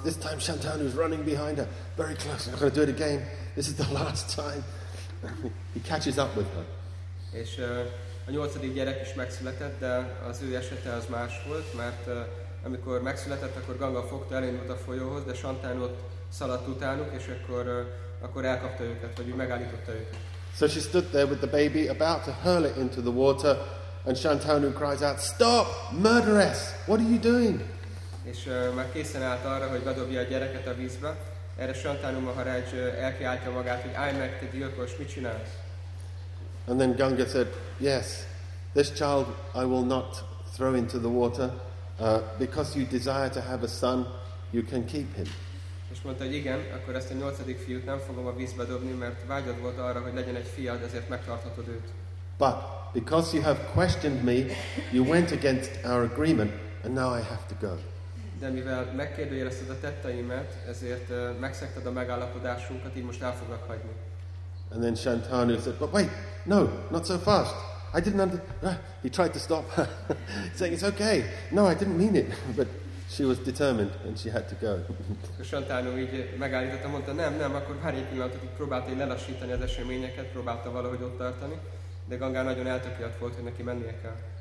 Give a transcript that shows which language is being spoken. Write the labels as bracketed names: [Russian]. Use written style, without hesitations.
[English] This time Shantanu is running behind her, very close. I'm going to do it again. This is the last time. He catches up with her. [Hungarian] És a nyolcadik gyerek is megszületett, de az ő esete az más volt, mert amikor megszületett, akkor Ganga fogta, elindult a folyóhoz, de Shantanu ott szaladt utánuk, és akkor elkapta őket, vagy megállította őket. [English] So she stood there with the baby, about to hurl it into the water, and Shantanu cries out, "Stop, murderess! What are you doing?" [Hungarian] És már készen állt arra, hogy bedobja a gyereket a vízbe. Erre Shantanu Maharaj elkiáltja magát, hogy állj meg, te gyilkos, mit csinálsz? [English] And then Ganga said, "Yes, this child I will not throw into the water, because you desire to have a son, you can keep him." [Hungarian] És mondta, hogy igen, akkor ezt a nyolcadik fiút nem fogom a vízbe dobni, mert vágyad volt arra, hogy legyen egy fiad, ezért megtarthatod őt. [English] But because you have questioned me, you went against our agreement, and now I have to go. [Hungarian] De mivel megkérdőjelezted a tetteimet, ezért megszegted a megállapodásunkat, így most el foglak hagyni. [English] And then Shantanu said, "But wait, no, not so fast. I didn't understand." He tried to stop her, saying, "It's okay. No, I didn't mean it." But she was determined, and she had to go. [Hungarian] Shantanu így megállította, mondta, nem, akkor várj egy pillanatot, hogy próbálta így lelassítani az eseményeket, próbálta valahogy ott tartani, de Ganga nagyon eltökélt volt, hogy neki mennie kell.